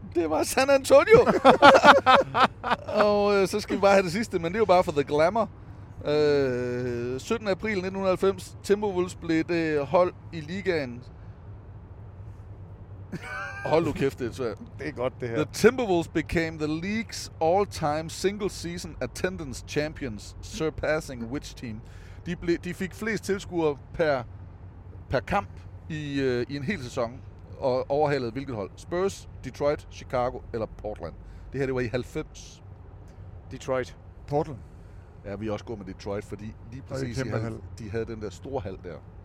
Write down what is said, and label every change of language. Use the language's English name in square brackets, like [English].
[Danish] Det var San Antonio! Og så skal vi bare have det sidste, men det er jo bare [English] for the glamour. [Danish] 17. april 1990, Timberwolves blev det hold i ligaen. Hold nu kæft, det er svært. Det er godt, det her. [English] The Timberwolves became the league's all-time single-season attendance champions, surpassing which team? [Danish] De fik flest tilskuere per kamp i en hel sæson, og overhalede hvilket hold? Spurs, Detroit, Chicago eller Portland? Det her, det var i 90. Detroit. Portland. Ja, vi er også gået med Detroit, fordi lige præcis i hal, de havde den der store hal der.